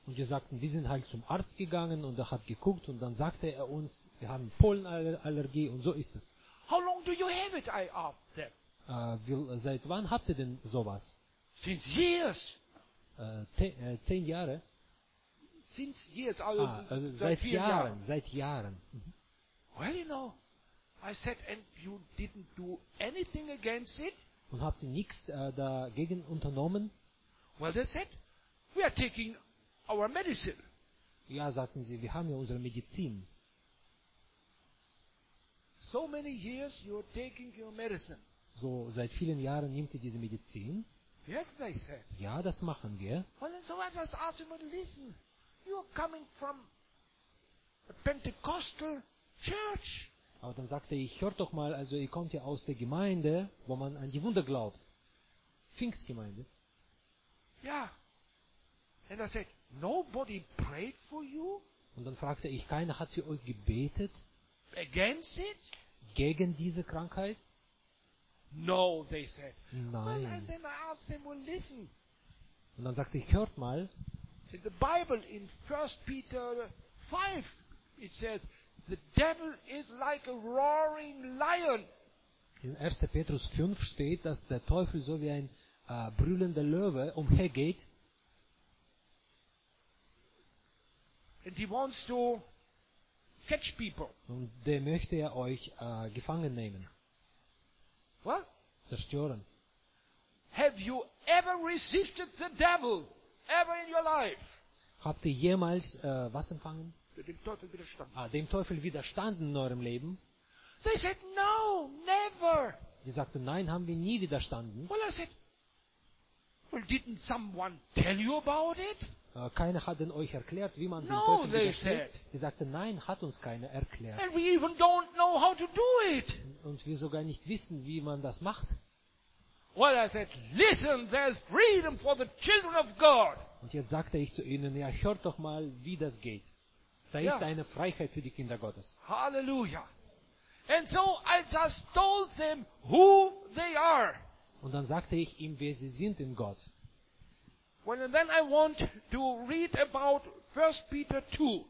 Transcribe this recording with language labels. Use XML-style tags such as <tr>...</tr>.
<de>Und wir sagten, wir sind halt zum Arzt gegangen und er hat geguckt und dann sagte er uns, wir haben Pollenallergie und so ist es.</de> <en>How long do you have it, I asked them.</en> <de>Seit wann habt ihr denn sowas?</de> <en>Since years.</en> <de>10 Jahre.</de> <en>Since years.</en> <de>Also seit Jahren.</de> <en>Well, you know, I said, and you didn't do anything against it.</en> <de>Und habt ihr nichts dagegen unternommen?</de> <en>Well, they said, we are taking our medicine.</en> <de>Ja, sagten sie, wir haben ja unsere Medizin.</de> <en>So many years you're taking your medicine.</en> <de>So, seit vielen Jahren nimmt ihr diese Medizin.</de> <en>Yes, they said.</en> <de>Ja, das machen wir.</de> <en>Well, and so I just asked him, listen, you're coming from a Pentecostal church.</en> <de>Aber dann sagte ich, hört doch mal, also ihr kommt ja aus der Gemeinde, wo man an die Wunder glaubt. Pfingstgemeinde. Ja.</de> <en>And I said, nobody prayed for you?</en> <de>Und dann fragte ich, keiner hat für euch gebetet?</de> <en>Against it?</en> <de>Gegen diese Krankheit?</de> <en>No, they said.</en> <de>Nein.</de> <en>Well, and then I asked them, well, listen.</en> <de>Und dann sagte ich, hört mal.</de> <en>In the Bible, in 1 Peter 5, it says, the devil is like a roaring lion.</en> <de>In 1. Petrus 5 steht, dass der Teufel so wie ein brüllender Löwe umhergeht.</de> <en>And he wants to catch people.</en> <de>Und der möchte ja euch gefangen nehmen.</de> <en>Well,</en> <de>zerstören.</de> <en>Have you ever resisted the devil ever in your life?</en> <de>Habt ihr jemals was empfangen? Dem Teufel widerstanden. Ah, dem Teufel widerstanden in eurem Leben?</de> <en>They said no, never.</en> <de>Die sagten, nein, haben wir nie widerstanden.</de> <en>Well, I said, well, didn't someone tell you about it?</en> <de>keiner hat denn euch erklärt, wie man</de> <en>no,</en> <de>den Teufel besiegt. Sie sagten, nein, hat uns keiner erklärt.</de> <en>And we even don't know how to do it.</en> <de>Und wir sogar nicht wissen, wie man das macht.</de> <en>Well, I said, listen, there's freedom for the children of God.</en> <de>Und jetzt sagte ich zu ihnen, ja, hört doch mal, wie das geht. Da ist eine Freiheit für die Kinder Gottes. Halleluja.</de> <en>And so I just told them who they are.</en> <de>Und dann sagte ich ihm, wer sie sind in Gott.</de> <en>Well, and then I want to read about 1 Peter 2.</en>